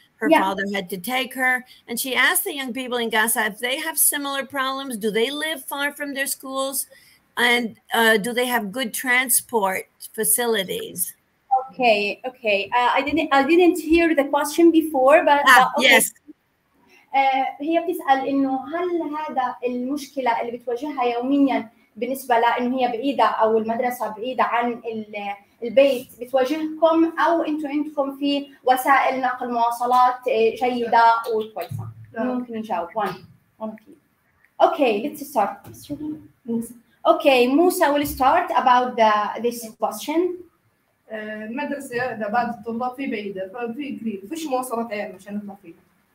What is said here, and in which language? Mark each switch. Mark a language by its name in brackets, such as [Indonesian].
[English] Her father had to take her. And she asked the young people in Gaza if they have similar problems. Do they live far from their schools? And do they have good transport facilities? Okay, okay. I didn't hear the question before, but okay. Yes. [Arabic] هي بتسأل إنه هل هذا المشكلة اللي بتواجهها يومياً بالنسبة لإنه هي بعيدة أو المدرسة بعيدة عن البيت بتواجهكم أو أنتوا عندكم في وسائل نقل مواصلات جيدة وكويسة؟ ممكن نجاوب. [English] One. Okay. Okay. Let's start. Okay, Musa will start about the this question. [Arabic] المدرسة إذا بعد الطلاب في بعيدة ففي قريب فيش مواصلات عيال مشان نطلع فيها.